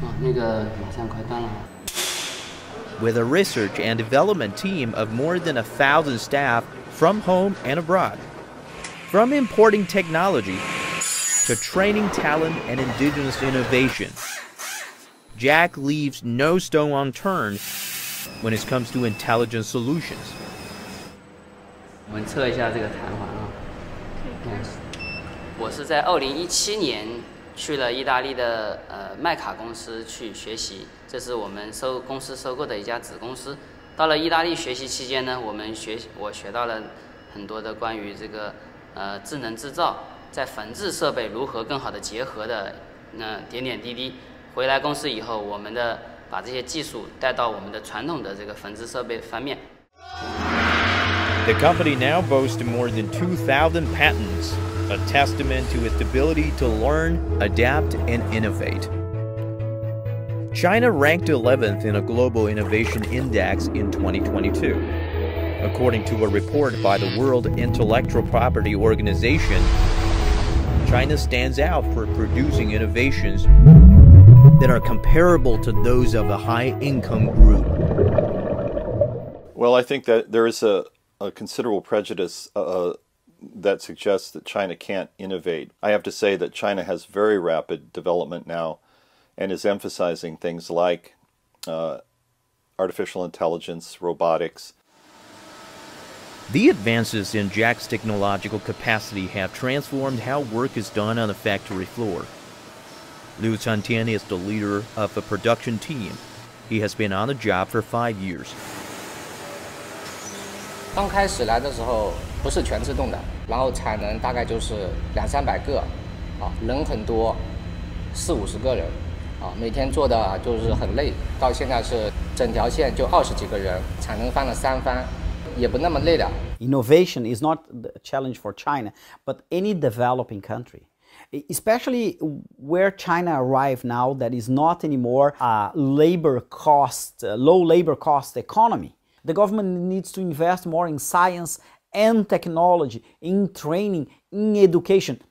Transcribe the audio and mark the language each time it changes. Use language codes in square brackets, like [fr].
[en] With a research and development team of more than 1,000 staff from home and abroad. From importing technology to training talent and indigenous innovation, Jack leaves no stone unturned when it comes to intelligent solutions. Let's check it out. [zh] 我是在2017年去了意大利的麦卡公司去学习，这是我们收公司收购的一家子公司。到了意大利学习期间呢，我学到了很多的关于这个智能制造在仿制设备如何更好的结合的那点点滴滴。回来公司以后，我们的把这些技术带到我们的传统的这个仿制设备方面。 [en] The company now boasts more than 2,000 patents, a testament to its ability to learn, adapt, and innovate. China ranked 11th in a global innovation index in 2022. According to a report by the World Intellectual Property Organization, China stands out for producing innovations that are comparable to those of a high-income group. Well, I think that there is a considerable prejudice that suggests that China can't innovate. I have to say that China has very rapid development now and is emphasizing things like artificial intelligence, robotics. The advances in Jack's technological capacity have transformed how work is done on the factory floor. Liu Chantian is the leader of a production team. He has been on the job for 5 years. [zh] 刚开始来的时候不是全自动的，然后产能大概就是两三百个，啊，人很多，四五十个人，啊，每天做的就是很累。到现在是整条线就二十几个人，产能翻了三番，也不那么累了。 [en] Innovation is not the challenge for China, but any developing country. Especially where China arrived now, that is not anymore a labor cost, a low labor cost economy. The government needs to invest more in science and technology, in training, in education.